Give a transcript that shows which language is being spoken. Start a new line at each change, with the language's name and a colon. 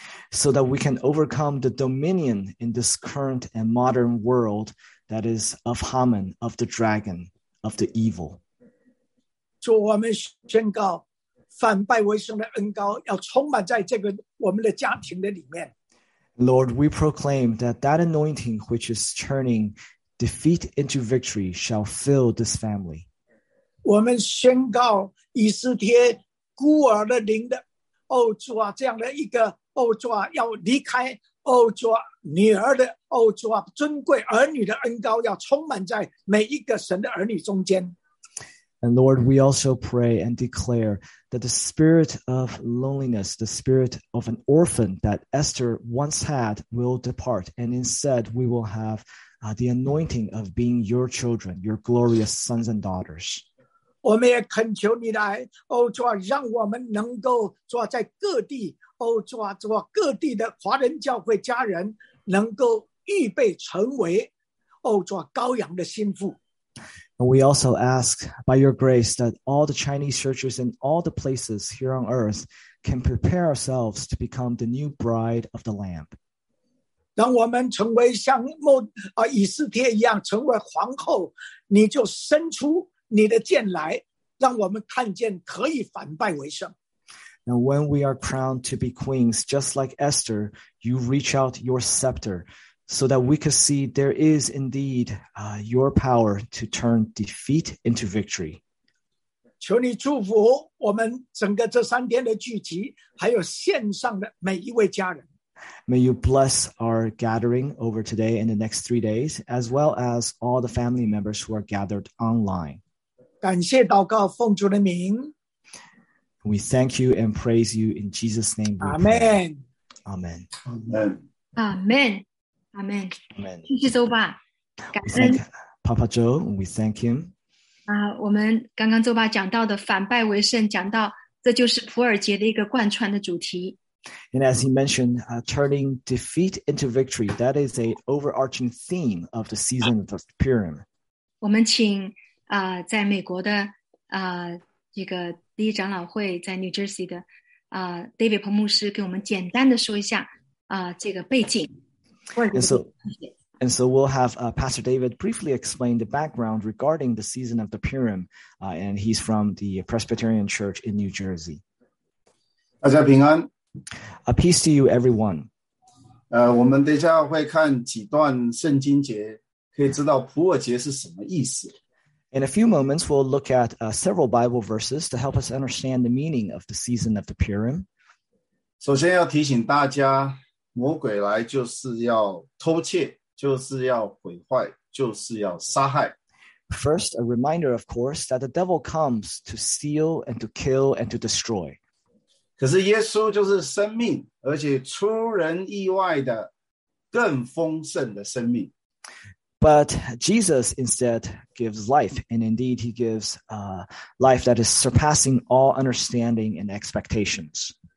English: So that we can overcome the dominion in this current and modern world that is of Haman, of the dragon, of the evil.
Chinese: 主，我们宣告反败为胜的恩膏要充满在这个我们的家庭的里面。
English: Lord, we proclaim that that anointing which is turning defeat into victory shall fill this family.
Chinese: 我们宣告以斯帖孤儿的灵的，哦主啊，这样的一个，哦主啊，要离开，哦主啊，女儿的，哦主啊，尊贵儿女的恩膏要充满在每一个神的儿女中间。
English: And Lord, we also pray and declare that the spirit of loneliness, the spirit of an orphan that Esther once had will depart. And instead, we will have the anointing of being your children, your glorious sons and daughters.
Chinese: 我们也恳求你来，哦主啊，让我们能够主啊，在各地，哦主啊，主啊，各地的华人教会家人能够预备成为，哦主啊，羔羊的心腹。
English: And we also ask by your grace that all the Chinese churches in all the places here on earth can prepare ourselves to become the new bride of the Lamb.
Chinese: 让我们成为像以斯帖一样成为皇后，你就伸出你的剑来，让我们看见可以反败为胜。
English: And when we are crowned to be queens, just like Esther, you reach out your scepter. So that we could see there is indeed your power to turn defeat into victory.
Chinese: 求你祝福我们整个这三天的聚集，还有线上的每一位家人。
English: May you bless our gathering over today and the next 3 days, as well as all the family members who are gathered online.
Chinese: 感谢祷告奉主的名。
English: We thank you and praise you in Jesus' name. Amen. Amen. Amen. Amen. Amen. Amen.
Chinese: 谢谢周爸，感恩
English: Papa Joe. We thank him.
Chinese: 我们刚刚周爸讲到的反败为胜，讲到这就是普尔节的一个贯穿的主题。
English: And as he mentioned, turning defeat into victory, that is a overarching theme of the season of Purim.
Chinese: 我们请在美国的这个第一长老会在 New Jersey 的David 彭牧师给我们简单的说一下这个背景。
English: And so, And so we'll have Pastor David briefly explain the background regarding the season of the Purim, and he's from the Presbyterian Church in New Jersey.
Chinese: 大家平安.
English: A peace to you, everyone.
Chinese: 我们等一下会看几段圣经节, 可以知道普尔节是什么意思。
English: In a few moments, we'll look at several Bible verses to help us understand the meaning of the season of the Purim.
Chinese: 首先要提醒大家, 魔鬼来就是要偷窃, 就是要毁坏, 就是要杀害。
English: First, a reminder, of course, that the devil comes to steal and to kill and to destroy.
Chinese: 可是耶稣就是生命, 而且出人意外的更丰盛的生命。
English: But Jesus instead gives life, and indeed he gives life that is surpassing all understanding and expectations.